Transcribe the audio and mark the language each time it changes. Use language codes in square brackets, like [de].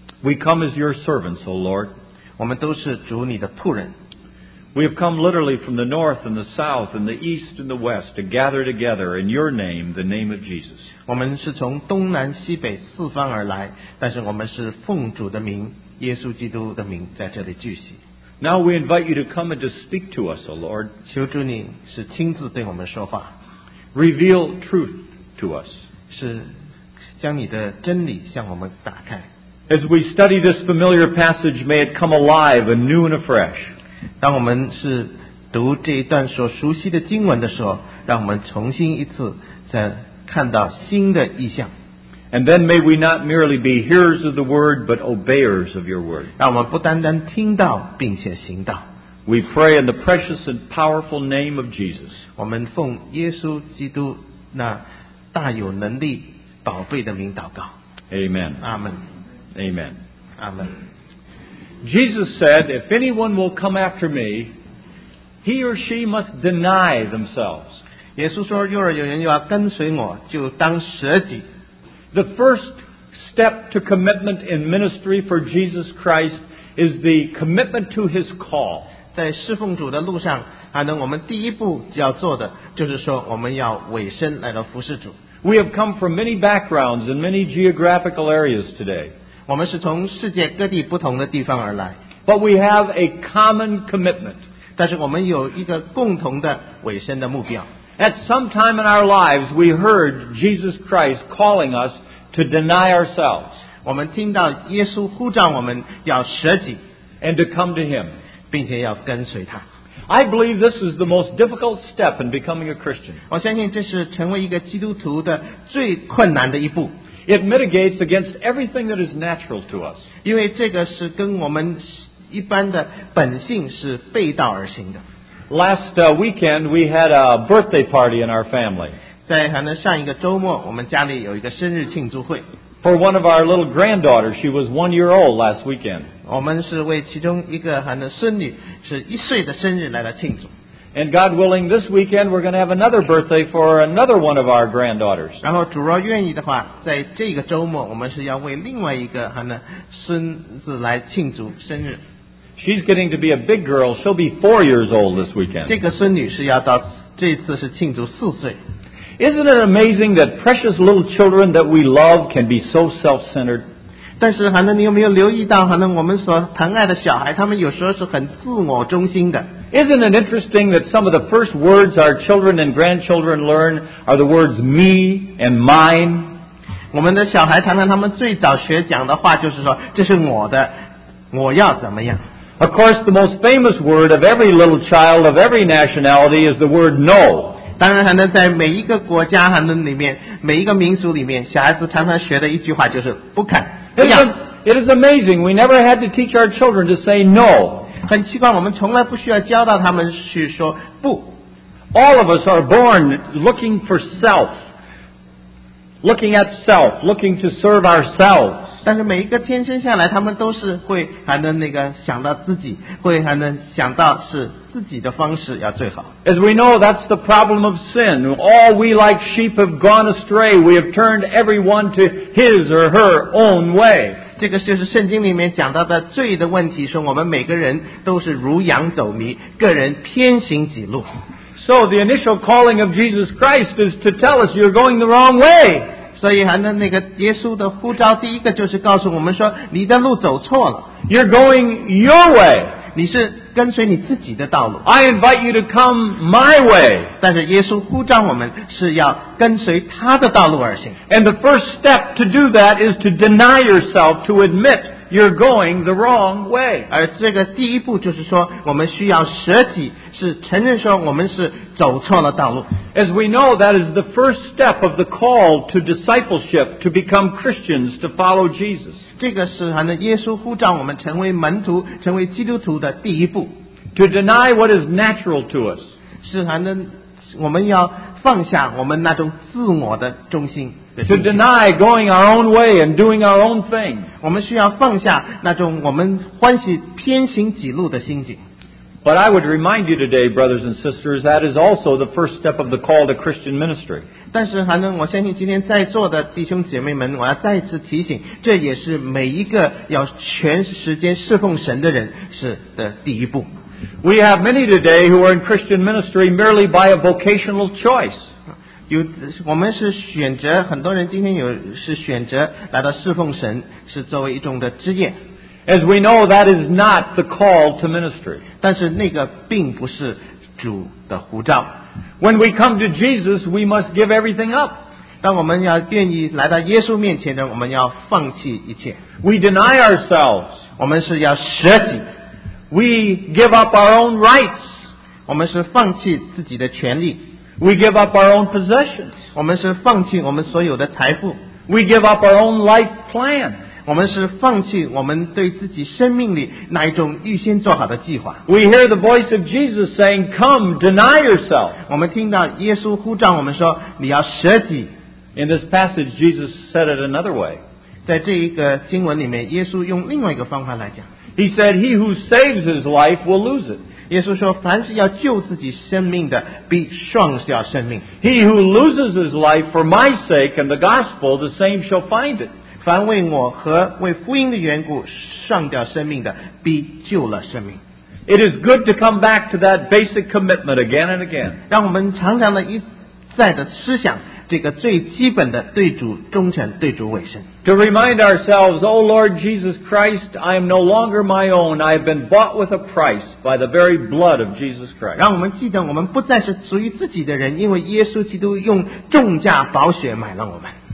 [en] We come as your servants, O Lord. [zh] 我们都是主你的仆人。 [en] We have come literally from the north and the south and the east and the west to gather together in your name, the name of Jesus. [zh] 我们是从东南西北四方而来，但是我们是奉主的名，耶稣基督的名在这里聚集。 [en] Now we invite you to come and to speak to us, O Lord. [zh] 求主你是亲自对我们说话。 [en] Reveal truth to us. [zh] 是将你的真理向我们打开。 [en] As we study this familiar passage, may it come alive anew and afresh. [zh] 当我们是读这一段所熟悉的经文的时候，让我们重新一次再看到新的意象。 [en] And then may we not merely be hearers of the word, but obeyers of your word. [zh] 让我们不单单听到并且行道。 [en] We pray in the precious and powerful name of Jesus. [zh] 我们奉耶稣基督那大有能力宝贝的名祷告。 [en] Amen. Amen. Amen. Amen. Jesus said, if anyone will come after me, he or she must deny themselves. [zh] 耶稣说，若有人要跟随我，就当舍己。 [en] The first step to commitment in ministry for Jesus Christ is the commitment to his call. [zh] 在侍奉主的路上，可能我们第一步要做的就是说我们要委身来到服侍主。 [en] We have come from many backgrounds and many geographical areas today. [zh] 我们是从世界各地不同的地方而来。 [en] But we have a common commitment. [zh] 但是我们有一个共同的委身的目标。 [en] At some time in our lives, we heard Jesus Christ calling us to deny ourselves. [zh] 我们听到耶稣呼召我们要舍己 [en] and to come to him. [zh] 并且要跟随他。 [en] I believe this is the most difficult step in becoming a Christian. [zh] 我相信这是成为一个基督徒的最困难的一步。 [en] It mitigates against everything that is natural to us. [zh] 因为这个是跟我们一般的本性是背道而行的。 [en] Last weekend, we had a birthday party in our family. [zh] 在上一个周末，我们家里有一个生日庆祝会。 [en] For one of our little granddaughters, she was 1 year old last weekend. [zh] 我们是为其中一个孙女是一岁的生日来了庆祝。 [en] And God willing, this weekend, we're going to have another birthday for another one of our granddaughters. [zh] 然后主若愿意的话，在这个周末，我们是要为另外一个孙子来庆祝生日。 [en] She's getting to be a big girl. She'll be 4 years old this weekend. [zh] 这个孙女是要到这次是庆祝四岁。 [en] Isn't it amazing that precious little children that we love can be so self-centered? [zh] 但是韩能，你有没有留意到韩能，我们所疼爱的小孩，他们有时候是很自我中心的。 [en] Isn't it interesting that some of the first words our children and grandchildren learn are the words me and mine? [zh] 我们的小孩常常他们最早学讲的话就是说，这是我的，我要怎么样。 [en] Of course, the most famous word of every little child of every nationality is the word no. [zh] 当然，在每一个国家里面，每一个民族里面，小孩子常常学的一句话就是不肯。 [en] It is amazing. We never had to teach our children to say no. [zh] 很奇怪，我们从来不需要教导他们去说不。 [en] All of us are born looking for self. Looking at self, looking to serve ourselves. [zh] 但是每一个天生下来，他们都是会想到自己，会想到是自己的方式要最好。 [en] As we know, that's the problem of sin. All we like sheep have gone astray. We have turned everyone to his or her own way. [zh] 这个就是圣经里面讲到的罪的问题，说我们每个人都是如羊走迷，个人偏行己路。 [en] So the initial calling of Jesus Christ is to tell us you're going the wrong way. [zh] 所以耶稣的呼召第一个就是告诉我们说你的路走错了。 [en] You're going your way. [zh] 你是跟随你自己的道路。 [en] I invite you to come my way. [zh] 但是耶稣呼召我们是要跟随他的道路而行。 [en] And the first step to do that is to deny yourself, to admit you're going the wrong way. [zh] 而这个第一步就是说，我们需要舍己，是承认说我们是走错了道路。 [en] As we know, that is the first step of the call to discipleship, to become Christians, to follow Jesus. [zh] 这个是好像耶稣呼召我们成为门徒，成为基督徒的第一步。 [en] To deny what is natural to us. [zh] 是好像我们要放下我们那种自我的中心。 [en] To deny going our own way and doing our own thing. [zh] 我们需要放下那种我们欢喜偏行己路的心境。 [en] But I would remind you today, brothers and sisters, that is also the first step of the call to Christian ministry. [zh] 但是还能我相信今天在座的弟兄姐妹们，我要再次提醒，这也是每一个要全时间侍奉神的人是的第一步。 [en] We have many today who are in Christian ministry merely by a vocational choice. [zh] 有我们是选择，很多人今天有是选择来到侍奉神，是作为一种的职业。 [en] As we know, that is not the call to ministry. [zh] 但是那个并不是主的呼召。 [en] When we come to Jesus, we must give everything up. [zh] 当我们要愿意来到耶稣面前呢，我们要放弃一切。 [en] We deny ourselves. [zh] 我们是要舍己。 [en] We give up our own rights. [zh] 我们是放弃自己的权利。 [en] We give up our own possessions. [zh] 我们是放弃我们所有的财富。 [en] We give up our own life plan. [zh] 我们是放弃我们对自己生命里那一种预先做好的计划。 [en] We hear the voice of Jesus saying, come, deny yourself. [zh] 我们听到耶稣呼召我们说，你要舍己。 [en] In this passage, Jesus said it another way. [zh] 在这一个经文里面，耶稣用另外一个方法来讲。 [en] He said, he who saves his life will lose it. [zh] 耶稣说凡是要救自己生命的必丧失生命。 [en] He who loses his life for my sake and the gospel, the same shall find it. [zh] 凡为我和为福音的缘故丧掉生命的必救了生命。 [en] It is good to come back to that basic commitment again and again. [zh] 让我们常常的一再的思想这个最基本的对主忠诚对主委身。 [en] To remind ourselves, O Lord Jesus Christ, I am no longer my own. I have been bought with a price by the very blood of Jesus Christ. [zh] 让我们记得我们不再是属于自己的人，因为耶稣基督用重价宝血买了我们。